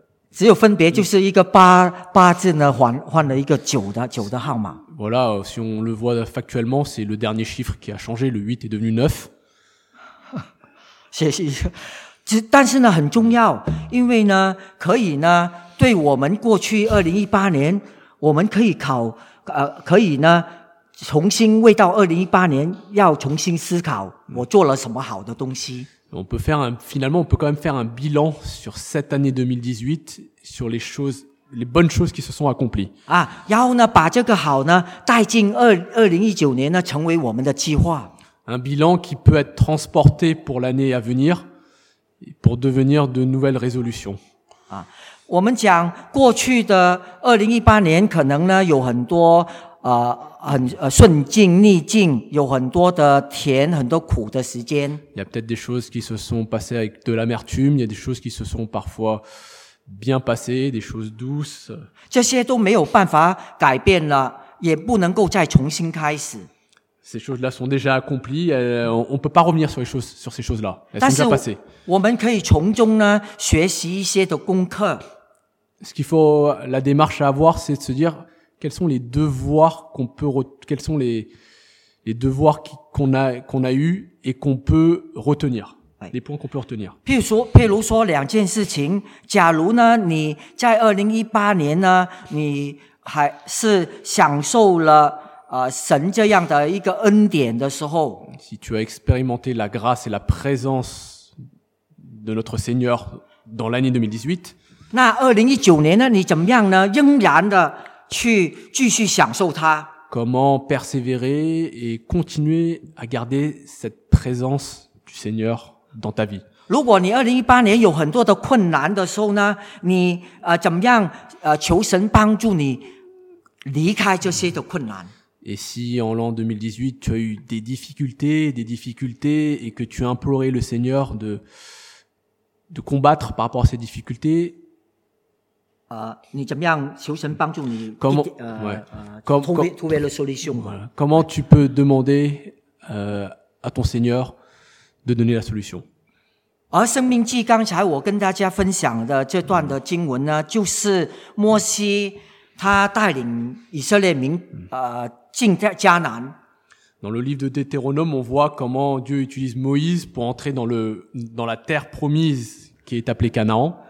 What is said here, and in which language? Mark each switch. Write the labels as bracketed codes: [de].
[zh] 只有分别就是一个八字呢换了一个九的号码。 [fr] Voilà, si on le voit factuellement, c'est le dernier chiffre qui a changé, le 8 est devenu 9. [zh] 谢谢。但是呢很重要因为呢可以呢对我们过去2018年我们可以考可以呢重新为到2018年要重新思考我做了什么好的东西。 [fr] On peut faire finalement, on peut quand même faire un bilan sur cette année 2018, sur les choses, les bonnes choses qui se sont accomplies. [zh] 然后呢把这个好呢带进2019年呢成为我们的计划。 [fr] Un bilan qui peut être transporté pour l'année à venir,pour devenir de nouvelles résolutions. [zh] 我们讲过去的2018年可能呢有很多顺境逆境，有很多的甜，很多苦的时间。 [fr] Il y a peut-être des choses qui se sont passées avec de l'amertume, il y a des choses qui se sont parfois bien passées, des choses douces. [zh] 这些都没有办法改变了，也不能够再重新开始。 [fr] Ces choses-là sont déjà accomplies, on ne peut pas revenir sur ces choses-là. Elles sont déjà passées. [zh] 我们可以从中呢学习一些的功课。 [fr] Ce qu'il faut, la démarche à avoir, c'est de se dire quels sont les devoirs qu'on peut, quels sont les devoirs qu'on a eu et qu'on peut retenir. Les points qu'on peut retenir. [zh] 譬如说两件事情，假如呢你在2018年呢，你还是享受了神这样的一个恩典的时候。 [fr] Si tu as expérimenté la grâce et la présence de notre Seigneur dans l'année 2018. [zh] 那2019年呢，你怎么样呢？仍然的去继续享受它。 [fr] Comment persévérer et continuer à garder cette présence du Seigneur dans ta vie? [zh] 如果你2018年有很多的困难的时候呢，你怎么样求神帮助你离开这些的困难？ [fr] Et si en l'an 2018 tu as eu des difficultés et que tu as imploré le Seigneur de combattre par rapport à ces difficultés, comment tu peux demander à ton Seigneur de donner la solution? [zh] 而《生命记》刚才我跟大家分享的这段的经文呢，就是摩西他带领以色列民进迦南。 [fr] Dans le livre de Deutéronome, on voit comment Dieu utilise Moïse pour entrer dans la terre promise qui est appelée Canaan.